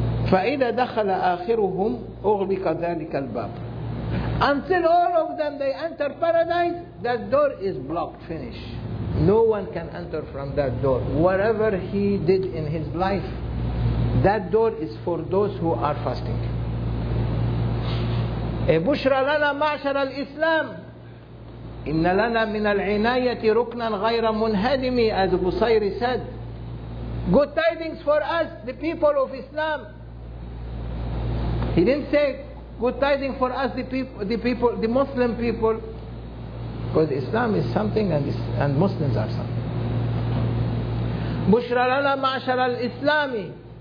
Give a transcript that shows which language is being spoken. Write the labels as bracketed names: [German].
[Arabic] فَإِذَا دَخَلَ آخِرُهُمْ أُغْلِقَ ذَلِكَ الْبَابِ. [English] Until all of them, they enter paradise, that door is blocked, finished. No one can enter from that door. Whatever he did in his life, that door is for those who are fasting. [Arabic] إِبُشْرَ لَنَا مَعْشَرَ الْإِسْلَامِ إِنَّ لَنَا مِنَ الْعِنَايَةِ رُكْنًا غَيْرَ مُنْهَدِمِ [English] as Busayri said. Good tidings for us, the people of Islam. He didn't say good tidings for us, the people, the Muslim people, because Islam is something and Muslims are something. [Arabic] Bushra lana ma'ashara al-Islami.